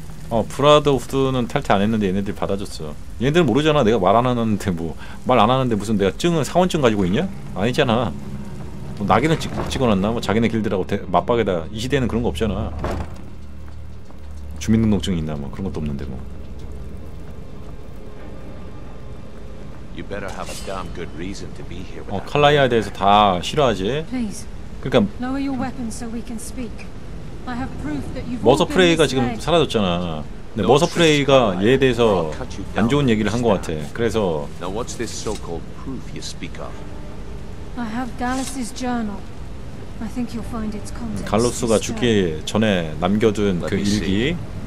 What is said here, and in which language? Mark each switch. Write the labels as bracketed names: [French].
[Korean] 브라더우드는 탈퇴 안 했는데 얘네들 받아줬어. 얘네들 모르잖아. 내가 말 안 하는데 뭐 말 안 하는데 무슨 내가 증을 사원증 가지고 있냐? 아니잖아. 뭐 낙인을 찍어놨나? 뭐 자기네 길들하고 맞박에다. 이 시대에는 그런 거 없잖아. 주민등록증이 있나 뭐 그런 것도 없는데 뭐. [English] You better have a damn good reason to be here. [Korean] 칼라이아에 대해서 다 싫어하지. [English] Please. [Korean] 그러니까 [English] lower your weapons so we can speak. I have proof that you've [Korean] 머서프레이가 지금 사라졌잖아. 근데 머서프레이가 얘에 대해서 안 좋은 얘기를 한 것 같아. 그래서 [English] Now what's this so-called proof you speak of? I have Gallus's journal. I think you'll find its contents. [Korean] 갈로스가 죽기 전에 남겨둔 그 일기.